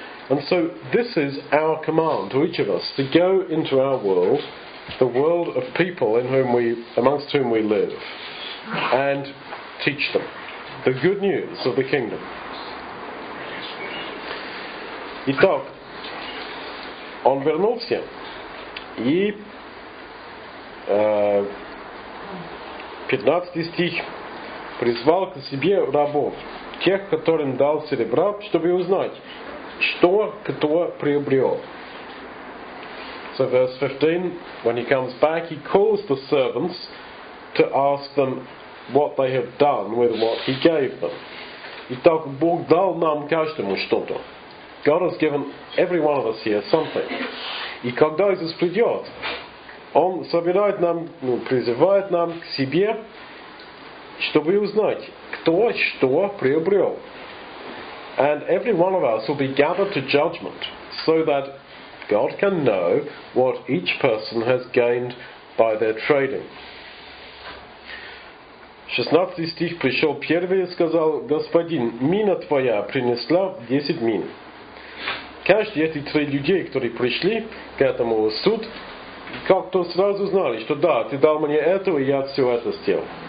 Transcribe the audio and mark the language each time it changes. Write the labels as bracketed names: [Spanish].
[English] And so this is our command to each of us, to go into our world, the world of people in whom we, amongst whom we live, and teach them the good news of the kingdom. [Russian] Итак, он вернулся и 15 стих призвал к себе рабов, тех, которым дал серебра, чтобы узнать, что кто приобрел. [English] So verse 15, when he comes back, he calls the servants to ask them what they have done with what he gave them. [Russian] Итак, Бог дал нам каждому что-то. [English] God has given every one of us here something. [Russian] И когда Иисус придет, Он собирает нам, ну, призывает нам к себе, чтобы узнать, кто что приобрел. [English] And every one of us will be gathered to judgment so that God can know what each person has gained by their trading. [Russian] 16 стих пришел первый и сказал, Господин, мина твоя принесла 10 мин. Каждый эти три людей, которые пришли к этому суд, как-то сразу знали, что да, ты дал мне это, и я все это сделал.